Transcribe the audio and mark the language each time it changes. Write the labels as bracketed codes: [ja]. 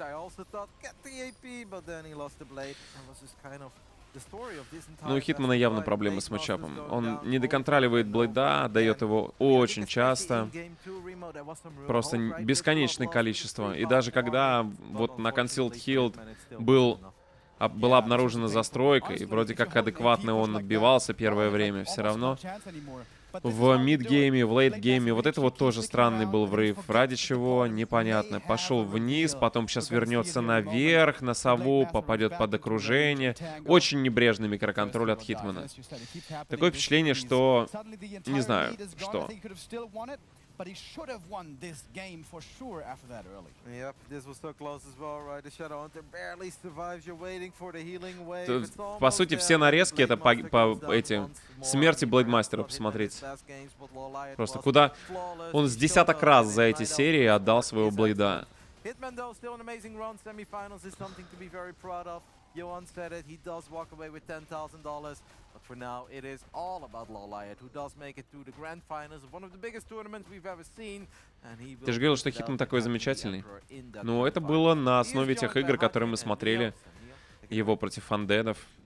[en] I also thought, get the AP, but then he lost the blade. That was just kind of the story of this entire... [ru] Ну, у Хитмана явно проблемы с матчапом. Он не доконтроливает блейда, дает его очень часто. Просто бесконечное количество. И даже когда вот на Concealed Healed был была обнаружена застройка, и вроде как адекватно он отбивался первое время, все равно. В мид-гейме, в лейт-гейме, вот это вот тоже странный был врыв. Ради чего? Непонятно. Пошел вниз, потом сейчас вернется наверх, на сову, попадет под окружение. Очень небрежный микроконтроль от Хитмана. Такое впечатление, что... не знаю, что. [en] But he should have won this game for sure after that early. Yep, this was so close as well, right? The Shadow Hunter barely survives. You're waiting for the healing wave. [ru] По сути, все нарезки это по этим смерти Блейдмастера посмотреть. Просто куда он с десяток раз за эти серии отдал своего Блейда. [en] Hitman though still an amazing run. Semifinals is something to be very proud of. Johan said it. He does walk away with $10,000. For now, it is all about Lawliat, who does make it to the grand finals of one of the biggest tournaments we've ever seen. [ru] Ты же говорил, что Хитман такой замечательный. Но это было на основе тех игр, которые мы смотрели, его против Undead'ов.